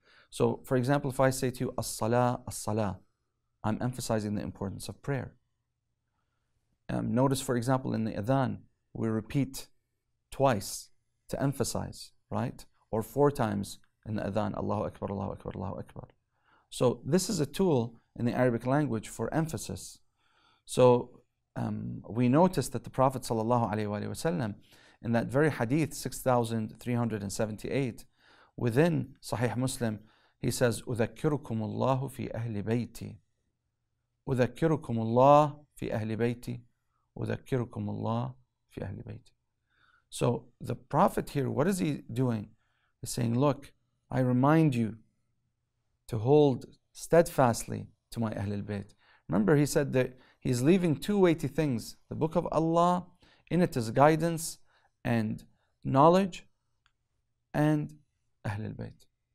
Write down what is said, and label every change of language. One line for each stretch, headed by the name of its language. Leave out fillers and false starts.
English: So, for example, if I say to you, as-salah, as-salah, I'm emphasizing the importance of prayer. Notice, for example, in the adhan, we repeat twice to emphasize, right? Or four times in the adhan, Allahu Akbar, Allahu Akbar, Allahu Akbar. So this is a tool in the Arabic language for emphasis. So we notice that the Prophet ﷺ, in that very hadith 6378, within Sahih Muslim, he says,
Arabic: أُذَكِّرُكُمُ اللَّهُ فِي أَهْلِ بَيْتِي أُذَكِّرُكُمُ اللَّهُ فِي أَهْلِ بَيْتِي أُذَكِّرُكُمُ اللَّهُ فِي أَهْلِ بَيْتِي.
English: So the Prophet here, what is he doing? He's saying, look, I remind you to hold steadfastly to my Ahlul Bait. Remember, he said that he's leaving two weighty things. The Book of Allah, in it is guidance and knowledge, and Ahlul Bait.